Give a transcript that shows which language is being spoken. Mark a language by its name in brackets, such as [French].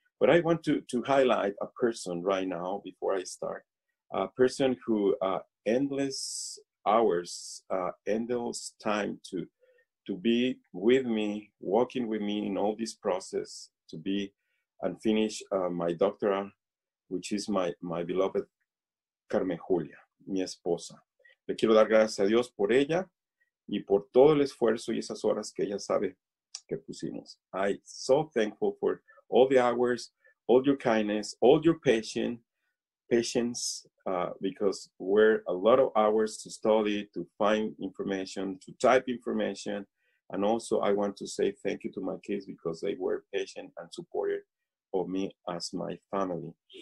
[English] But I want to highlight a person right now before I start, a person who endless hours, endless time to be with me, walking with me in all this process to be and finish my doctorate, which is my beloved Carmen Julia, [Spanish] mi esposa. Le quiero dar gracias a Dios por ella y por todo el esfuerzo y esas horas que ella sabe que pusimos. [English] I'm so thankful for all the hours, all your kindness, all your patience, because were a lot of hours to study, to find information, to type information. And also I want to say thank you to my kids because they were patient and supportive of me as my family.